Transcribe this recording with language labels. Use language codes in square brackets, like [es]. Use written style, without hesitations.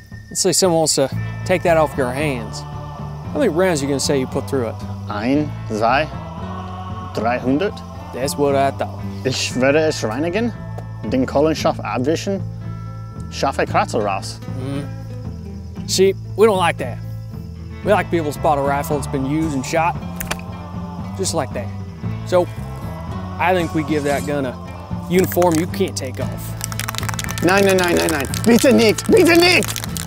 [en] Let's say someone wants to take that off your hands. How many rounds are you gonna say you put through it? [de] Ein, zwei, 300. [en] That's what I thought. [de] Ich werde es reinigen, den Kohlenstoff abwischen, schaffe Kratzer raus. [en] Mm-hmm. See, we don't like that. We like people to spot a rifle that's been used and shot, just like that. So, I think we give that gun a uniform you can't take off. [de] 99999. Bitte nicht! Bitte nicht!